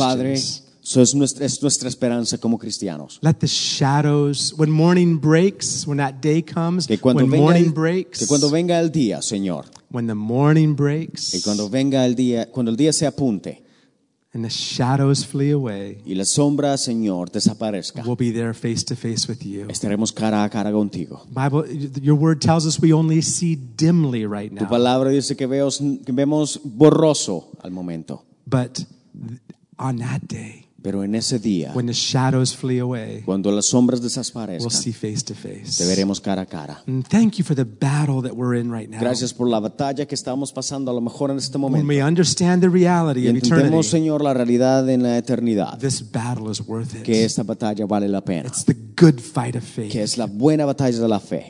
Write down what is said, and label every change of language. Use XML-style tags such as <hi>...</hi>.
<es>Padre, eso es nuestra esperanza como cristianos.</es> <en>Let the shadows, when morning breaks, when that day comes, when morning breaks.</en> <es>Que cuando venga el día, Señor.</es> <en>When the morning breaks.</en> <es>Y cuando venga el día, cuando el día se apunte.</es> <en>And the shadows flee away.</en> <es>Y la sombra, Señor, desaparezca.</es> <en>We'll be there face to face with you.</en> <es>Estaremos cara a cara contigo.</es> <en>Bible, your word tells us we only see dimly right now.</en> <es>Tu palabra dice que vemos borroso al momento.</es> <en>But on that day.</en> <es>Pero en ese día.</es> <en>When the shadows flee away.</en> <es>Cuando las sombras desaparezcan.</es> <en>We'll see face to face.</en> <es>Te veremos cara a cara.</es> <en>And thank you for the battle that we're in right now.</en> <es>Gracias por la batalla que estamos pasando a lo mejor en este momento.</es> <en>When we understand the reality of eternity.</en> <es>Entendemos, Señor, la realidad en la eternidad.</es> <en>This battle is worth it.</en> <es>Que esta batalla vale la pena.</es> <en>It's the good fight of faith.</en> <es>Que es la buena batalla de la fe.</es>